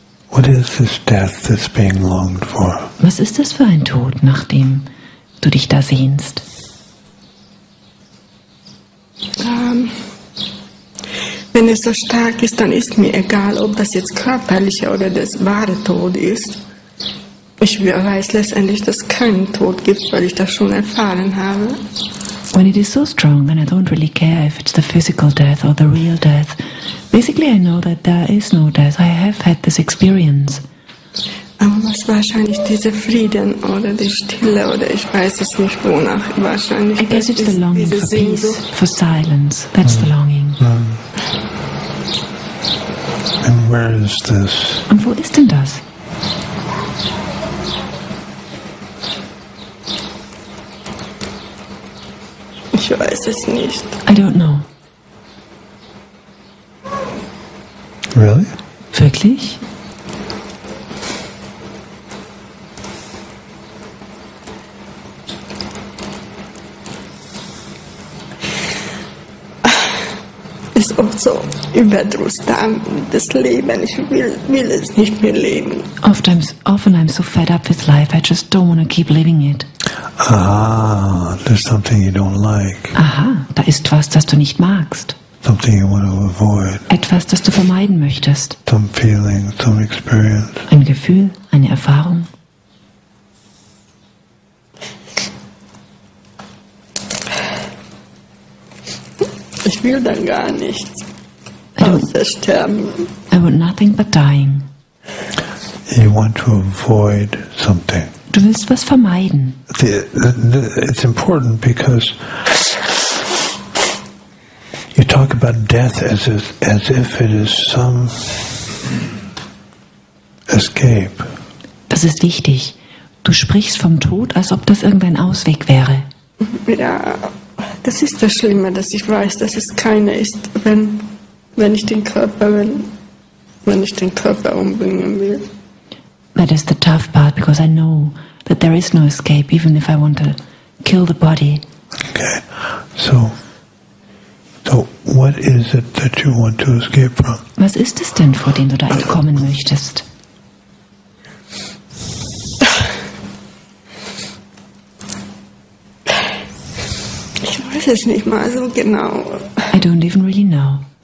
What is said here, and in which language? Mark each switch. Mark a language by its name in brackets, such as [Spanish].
[English] What is this death that's being longed for? [German] Was ist das für ein Tod, nach dem du dich da sehnst? Wenn es so stark ist, dann ist mir egal, ob das jetzt körperlicher oder das wahre Tod ist. Ich weiß letztendlich, dass es keinen Tod gibt, weil ich das schon erfahren habe. [English] When it is so strong, then I don't really care if it's the physical death or the real death. Basically, I know that there is no death. I have had this experience. [German] Aber was wahrscheinlich dieser Frieden oder die Stille oder ich weiß es nicht wonach. Wahrscheinlich [English] I guess it's the longing for peace, for silence. That's the longing. And where is this? [German] Und wo ist denn das? Ich weiß es nicht. [English] I don't know. Really? [German] Wirklich? Ist auch so Überdruss da, das Leben. Ich will es nicht mehr leben. [English] Often I'm so fed up with life, I just don't want to keep living it. Ah, there's something you don't like. [German] Aha, da ist was, das du nicht magst. [English] Something you want to avoid. [German] Etwas, das du vermeiden möchtest. [English] Some feeling, some experience. [German] Ein Gefühl, eine Erfahrung. Ich will dann gar nichts. Außer sterben. [English] I want nothing but dying. You want to avoid something. [German] Du willst was vermeiden. [English] It's important because you talk about death as if it is some escape. [German] Das ist wichtig. Du sprichst vom Tod, als ob das irgendein Ausweg wäre. Ja, das ist das Schlimme, dass ich weiß, dass es keiner ist, wenn ich den Körper umbringen will. [English] That is the tough part because I know that there is no escape, even if I want to kill the body. Okay, so what is it that you want to escape from? [German] Was ist es denn, vor dem du da entkommen möchtest? Ich weiß es nicht mal so genau. [English] I don't even really know.